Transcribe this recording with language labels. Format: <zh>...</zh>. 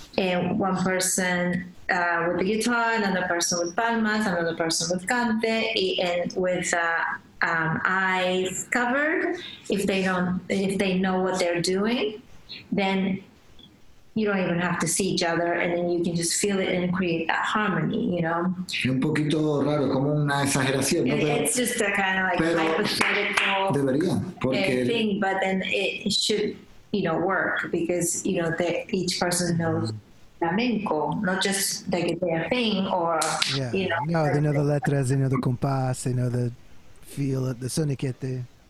<en>And one person with the guitar, another person with palmas, another person with cante, and with eyes covered. If they know what they're doing, then you don't even have to see each other, and then you can just feel it and create that harmony, you know.</en> <es>Un poquito raro, como una exageración, ¿no?</es> <en>It's just a kind of like hypothetical</en> <es>debería, porque</es> <en>thing, but then it should, you know, work because you know that each person knows flamenco, not just like their thing or yeah, you know. No, they know the letras, they know the compás, they know the feel of the soniquete.</en>